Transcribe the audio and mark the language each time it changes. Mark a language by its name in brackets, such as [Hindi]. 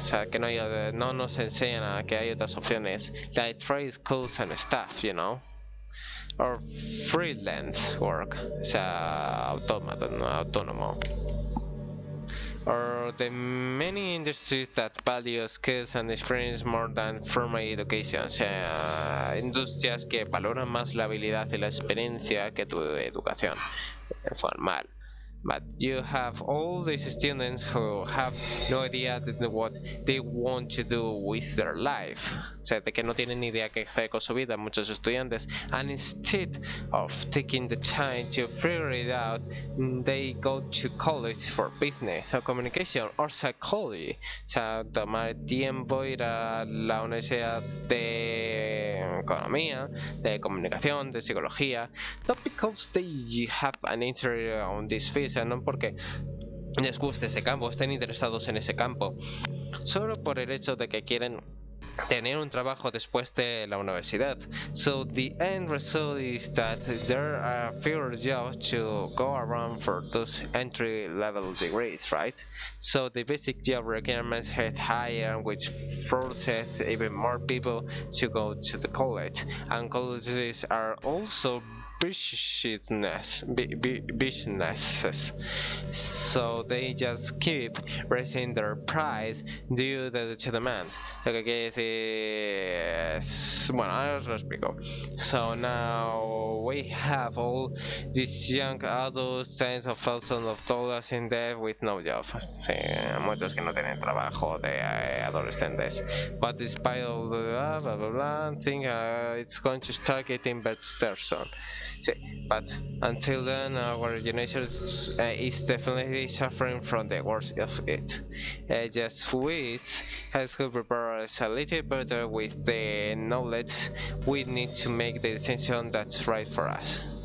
[Spanish] O sea, que no, no nos enseñan a que hay otras opciones. [English] Like trade schools and stuff, you know. Or freelance work. [Spanish] O sea, automata, no, autónomo. [English] Or the many industries that value skills and experience more than formal education. [Spanish] O sea, industrias que valoran más la habilidad y la experiencia que tu educación formal. [English] But you have all these students who have no idea what they want to do with their life. [Spanish] O sea, de que no tienen ni idea qué hacer con su vida, muchos estudiantes. [English] And instead of taking the time to figure it out, they go to college for business or communication or psychology. [Spanish] O sea, tomar tiempo ir a la universidad de economía, de comunicación, de psicología. [English] Not because they have an interest on this field. [Spanish] O sea, no porque les guste ese campo, estén interesados en ese campo, solo por el hecho de que quieren tener un trabajo después de la universidad. [English] So the end result is that there are fewer jobs to go around for those entry level degrees, right? So the basic job requirements get higher, which forces even more people to go to the college. And colleges are also businesses, so they just keep raising their price due to the demand. [Spanish] Lo que quiere decir es, bueno, ahora os lo explico. [English] So now we have all these young adults, tens of thousands of dollars in debt with no job. [Spanish] Sí, muchos que no tienen trabajo de adolescentes. [English] But despite all the blah blah blah, blah thing, it's going to start getting better soon. But until then, our generation is definitely suffering from the worst of it. Just wish high school prepare us a little better with the knowledge we need to make the decision that's right for us.